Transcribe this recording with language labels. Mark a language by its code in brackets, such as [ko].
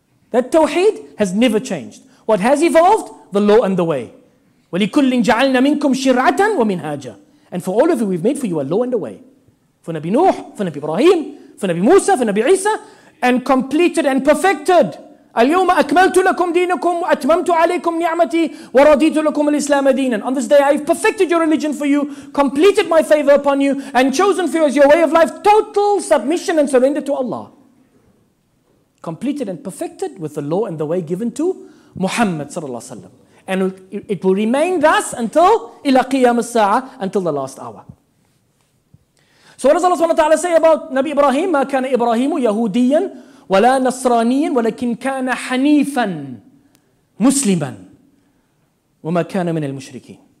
[en] That tawheed has never changed. What has evolved? The law and the way. [ar] وَلِكُلِّنْ جَعَلْنَا مِنْكُمْ شِرْعَةً وَمِنْهَاجًا. [en] And for all of you, we've made for you a law and a way. For Nabi Nuh, for Nabi Ibrahim, for Nabi Musa, for Nabi Isa, and completed and perfected. [ar] اليوم أكملت لكم دينكم وأتممت عليكم نعمتي ورضيت لكم الإسلام دينا. [en] On this day I've perfected your religion for you, completed my favor upon you, and chosen for you as your way of life total submission and surrender to Allah. Completed and perfected with the law and the way given to Muhammad صلى الله عليه وسلم. And it will remain thus until [ar] إلى قيام الساعة, [en] until the last hour. So what does Allah SWT say about Nabi Ibrahim? [ar] ما كان إبراهيم يهوديا ولا نصرانيا ولكن كان حنيفا مسلما وما كان من المشركين.